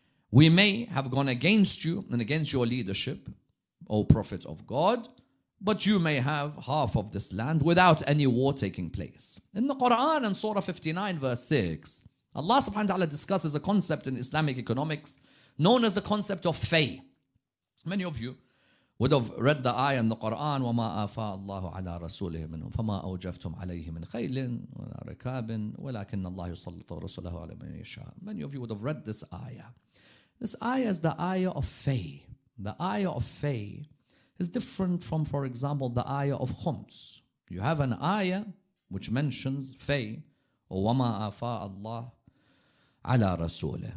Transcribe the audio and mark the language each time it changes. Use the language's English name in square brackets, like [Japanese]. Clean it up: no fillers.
[English] We may have gone against you and against your leadership, O Prophet of God, but you may have half of this land without any war taking place. In the Quran and Surah 59 verse 6, Allah subhanahu wa ta'ala discusses a concept in Islamic economics known as the concept of fay. Many of you would have read the ayah in the Quran, [Arabic] وَمَا أَفَاءَ اللَّهُ عَلَىٰ رَسُولِهِ مِنْهُمْ فَمَا أَوْجَفْتُمْ عَلَيْهِ مِنْ خَيْلٍ وَلَا رِكَابٍ وَلَكِنَّ اللَّهُ يُسَلِّطُ رَسُولَهُ عَلَىٰ مَنْ يَشَاءَ. [English] Many of you would have read this ayah. This ayah is the ayah of fay. The ayah of fay is different from, for example, the ayah of khums. You have an ayah which mentions fay, [Arabic] وَمَا أَفَاءَ اللَّهُ عَلَىٰ رَسُولِهِ.